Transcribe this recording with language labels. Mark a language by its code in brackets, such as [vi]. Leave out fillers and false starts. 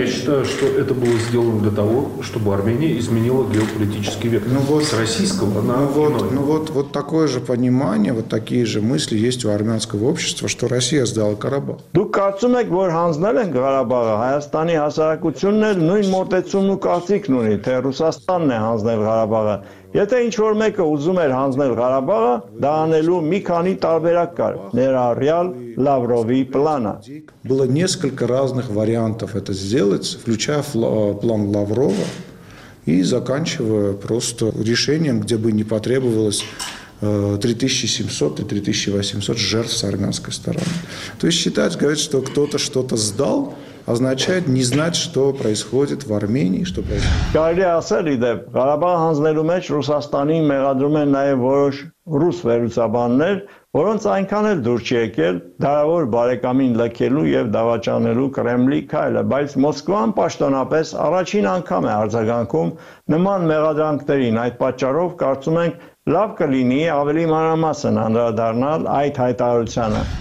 [ru] Я считаю, что это было сделано для того, чтобы Армения изменила геополитический вектор. Ну вот, с российского на иной. Вот такое же понимание, вот такие же мысли есть у армянского общества, что Россия сдала Карабах. [hy] Դուք կարծում եք, որ հանձնել են Ղարաբաղը, Հայաստանի հասարակությունն էլ նույն մոտեցումն ու կարծիքն ունի, թե Ռուսաստանն է հանձնել Ղարաբաղը։ Եթե ինչ-որ մեկը ուզում էր հանձնել Ղարաբաղը, դա անելու մի քանի տարբերակ կար, ներառյալ Լավրովի պլանը։ [ru] Было несколько разных вариантов это сделать, включая план Лаврова и заканчивая просто решением, где бы не потребовалось 3700 и 3800 жертв с армянской стороны. То есть считать, говорить, что кто-то что-то сдал, означает не знать, что происходит в Армении, что происходит. [hy] Կարելի ասել, իդեպ, Ղարաբաղը հանձնելու մեջ Ռուսաստանի մեղադրում են նաև որոշ ռուս վերլուծաբաններ, որոնց այնքան էլ դուր չի եկել դարավոր բարեկամին լքելու և դավաճանելու Կրեմլի քայլը, բայց Մոսկվան պաշտոնապես առաջին անգամ է արձագանքում նման մեղադրանքներին, այդ պատճառով կարծում ենք լավ կլինի ավելի մանրամասն անդրադառնալ այդ հայտարարությանը։